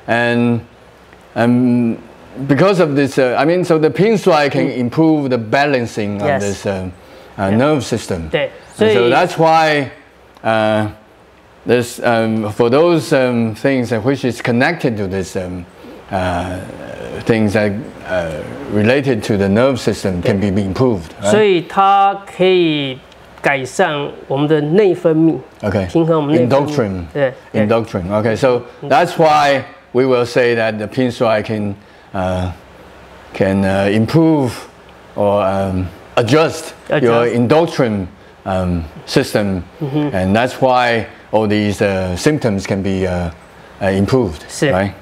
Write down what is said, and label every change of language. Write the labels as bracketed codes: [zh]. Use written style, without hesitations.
[en] And because of this, so the Pingshuai can improve the balancing of this nerve system. So that's why this for those things which is connected to this things that related to the nerve system can be improved. Right? [zh] 所以它可以改善我们的内分泌。 [en] Okay. [zh] 平衡我们内分泌, [en] endocrine. [zh] 对, [en] endocrine. Okay. So that's why we will say that the Pingshuai can improve or adjust your endocrine system, and that's why all these symptoms can be improved, right?